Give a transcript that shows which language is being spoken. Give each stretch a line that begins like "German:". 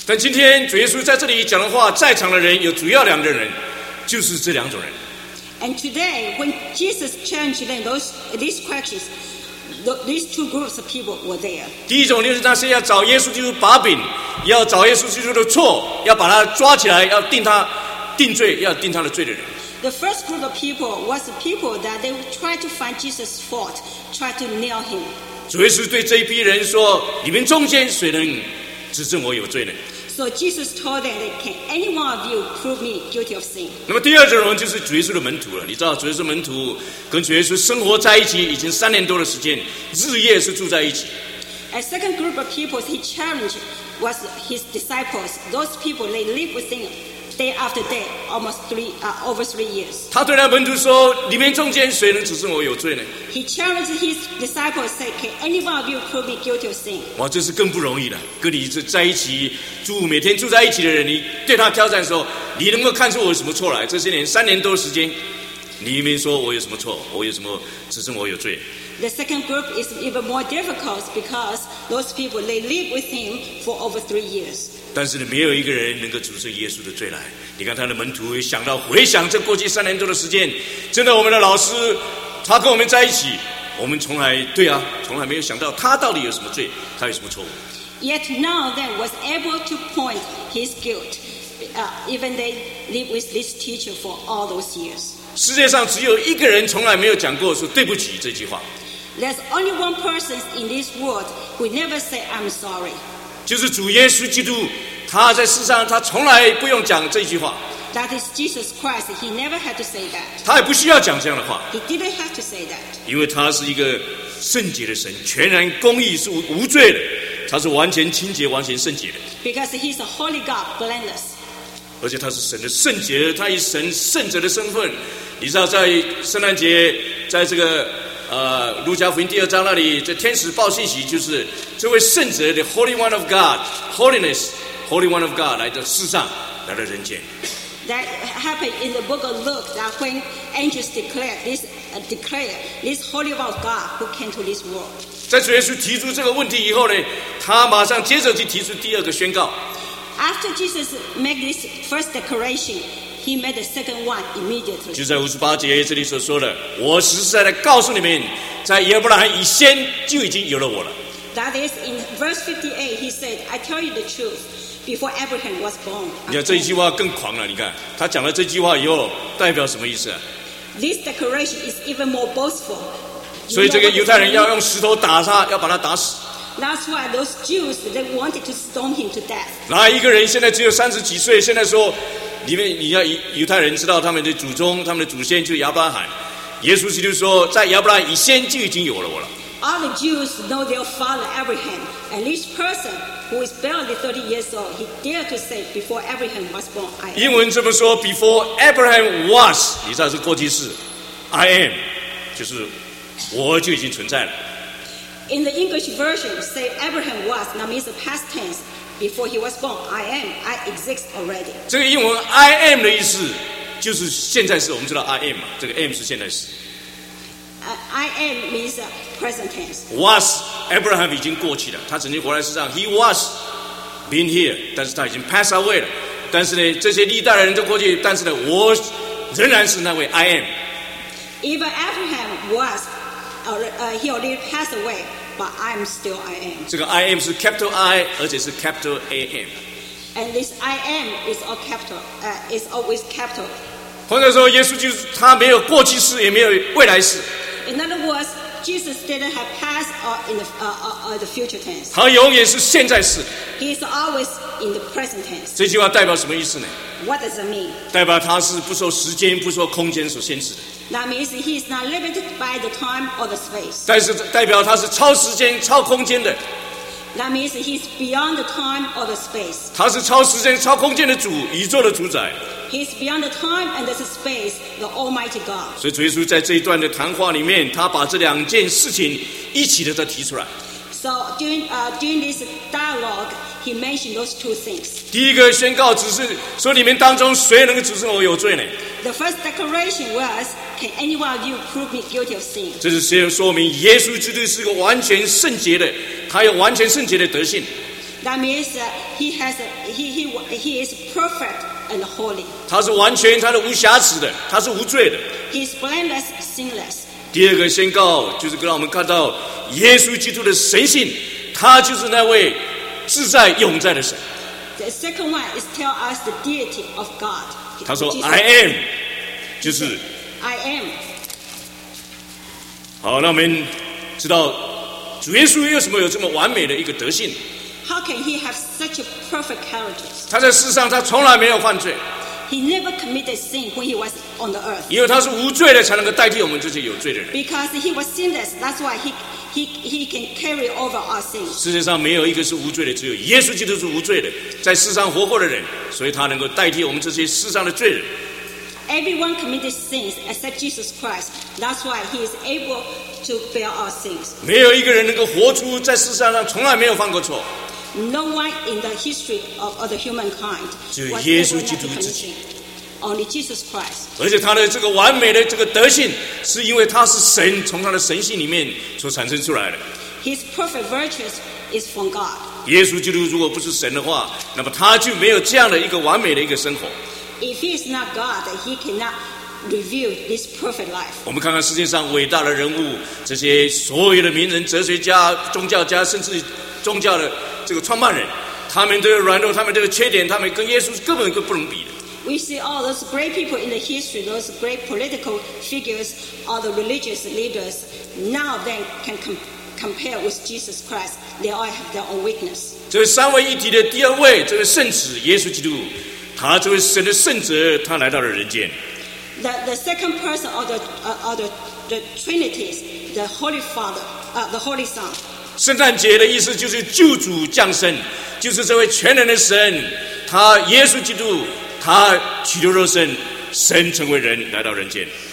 Chinese: 但今天主耶稣在这里讲的话，在场的人有主要两个人，就是这两种人。
English: And today, when Jesus challenged them these questions, these two groups of people were there.
Chinese: 第一种就是那些要找耶稣基督把柄，要找耶稣基督的错，要把他抓起来，要定他。定罪要定他的罪的人。
English: The first group of people was the people that they tried to find Jesus' fault, tried to nail him.
Chinese: 主耶稣对这一批人说：“你们中间谁能指证我有罪呢？”
English: So Jesus told them, "Can any one of you prove me guilty of sin?"
Chinese: 那么第二种人就是主耶稣的门徒了。你知道，主耶稣门徒跟主耶稣生活在一起已经三年多的时间，日夜是住在一起。
English: A second group of people he challenged was his disciples. Those people they live with him. Day after day, almost over three years.
Chinese: 他对那门徒说：“你们中间谁能指证我有罪呢？”
English: He challenged his disciples, say, "Can any one of you prove me guilty of sin?"
Chinese: 哇，这是更不容易了。跟你是在一起住，每天住在一起的人，你对他挑战说：“你能够看出我有什么错来？这些年三年多的时间，你们说我有什么错？我有什么指证我有罪？”
English: The second group is even more difficult because those people they live with him for over 3 years.
Chinese: 但是没有一个人能够指证耶稣的罪来。你看他的门徒想到回想这过去三年多的时间，真的我们的老师他跟我们在一起，我们从来对啊，从来没有想到他到底有什么罪，他有什么错误。
English: Yet now they was able to point his guilt, even they live with this teacher for all those years.
Chinese: 世界上只有一个人从来没有讲过说对不起这句话。
English: There's only one person in this world who never say I'm sorry.
Chinese: 就是主耶稣基督，他在世上他从来不用讲这句话。
English: That is Jesus Christ. He never had to say that.
Chinese: 他也不需要讲这样的话。
English: He didn't have to say that.
Chinese: 因为他是一个圣洁的神，全然公义，是无罪的，他是完全清洁、完全圣洁的。
English: Because he is a holy God, blameless.
Chinese: 而且他是神的圣洁，他以神圣者的身份。你知道，在圣诞节，在这个。路加福音第二章那里，这天使报信息就是这位圣者 ，
English: the Holy One of God, Holiness, Holy One of God
Chinese: 来到世上，来到人间。
English: That happened in the book of Luke that when angels declare this Holy One of God who came to this world.
Chinese: 在主耶稣提出这个问题以后呢，他马上接着就提出第二个宣告。
English: After Jesus made this first declaration. He made the second one immediately.
Chinese: 就在五十八节这里所说的，我实实在在告诉你们，在亚伯拉罕以先就已经有了我了。
English: That is in verse 58, he said, "I tell you the truth, before Abraham was born."
Chinese: 你看这一句话更狂了。你看他讲了这句话以后，代表什么意思、啊、
English: ？This declaration is even more boastful.
Chinese: 所以这个犹太人要用石头打他，要把他打死。
English: That's why those Jews they wanted to stone him to death.
Chinese: 哪一个人现在只有三十几岁，现在说？里面你要犹太人知道他们的祖宗，他们的祖先就是亚伯拉罕。耶稣基督说，在亚伯拉罕以先就已经有了我了。
English: All the Jews know their father Abraham, and each person who is barely 30 years old, he dared to say before Abraham was born, I am.
Chinese: 英文这么说 ，
English: before Abraham was，
Chinese: 你知道是过去式 ，
English: I am，
Chinese: 就是我就已经存在了。
English: In the English version, say Abraham was, that means the past tense, before he was born, I am, I exist already.
Chinese: 这个英文
English: I am
Chinese: 的意思就是现在式，我们知道 I am 嘛，这个 am 是现在式。
English: I am means present tense.
Chinese: Was, Abraham 已经过去了，他曾经活在世上，
English: he was been here,
Chinese: 但是他已经
English: pass away
Chinese: 了，但是呢，这些历代人都过去，但是呢，我仍然是那位
English: I am. If Abraham was,he already passed away, but I'm still I am.
Chinese: 这个 I am 是
English: capital I，
Chinese: 而且是
English: capital AM. And this I am is all capital, is always capital.
Chinese: 或者说，耶稣就是他没有过去式，也没有未来式。
English: In other words, Jesus didn't have past or in the future tense.
Chinese: 他永远是现在式。
English: He is always in the present tense.
Chinese: 这句话代表什么意思呢？
English: What does it mean?
Chinese: 代表他是不受时间、不受空间所限制的。
English: That means he is not limited by the time or the space.
Chinese: 但是代表他是超时间、超空间的。
English: That means he is beyond the time or the space.
Chinese: 他是超时间、超空间的主，宇宙的主宰。
English: He is beyond the time and the space, the Almighty God.
Chinese: 所以主耶稣在这一段的谈话里面，他把这两件事情一起的再提出来。
English: So during this dialogue, he mentioned those two things.
Chinese: 第一个宣告只是说你们当中谁能指证我有罪呢？
English: The first declaration was. Can anyone of you prove me guilty of sin?
Chinese: 这是先说明耶稣基督是个完全圣洁的，他有完全圣洁的德性。
English: That means he is perfect and holy.
Chinese: 他是完全，他是无瑕疵的，他是无罪的。
English: He is blameless, sinless.
Chinese: 第二个宣告就是让我们看到耶稣基督的神性，他就是那位自在永在的神。
English: The second one is tell us the deity of God.
Chinese: 他说
English: I am，
Chinese: 就是。
English: I am.
Chinese: 好，那我们知道主耶稣为什么有这么完美的一个德性。
English: How can he have such a perfect character?
Chinese: 他在世上他从来没有犯罪。
English: He never committed sin when he was on the earth.
Chinese: 因为他是无罪的，才能够代替我们这些有罪的人。
English: Because he was sinless, that's why he can carry over our sins.
Chinese: 世界上没有一个是无罪的，只有耶稣基督是无罪的，在世上活过的人，所以他能够代替我们这些世上的罪人。
English: Everyone committed sins except Jesus Christ. That's why he is able to bear our sins.
Chinese: 没有一个人能够活出在世界上从来没有犯过错。
English: No one in the history of the humankind.
Chinese: 只有耶稣基督自己。
English: Only Jesus Christ.
Chinese: 而且他的这个完美的这个德性，是因为他是神，从他的神性里面所产生出来的。
English: His perfect virtues is from God.
Chinese: 耶稣基督如果不是神的话，那么他就没有这样的一个完美的一个生活。
English: If he is not God, he cannot reveal this perfect life.
Chinese: 我们看看世界上伟大的人物，这些所有的名人、哲学家、宗教家，甚至宗教的这个创办人，他们都有软弱，他们都有缺点，他们跟耶稣根本就不能比的。
English: We see all those great people in the history, those great political figures, all the religious leaders. None of them can compare with Jesus Christ. They all have their own weakness.
Chinese: 这三位一体的第二位，这个圣子耶稣基督。他这位神的圣子，他来到了人间。
English: The second person of the Trinity, the Holy Father, the Holy Son.
Chinese: 圣诞节的意思就是救主降生，就是这位全能的神，他耶稣基督，他取了肉身，神成为人来到人间。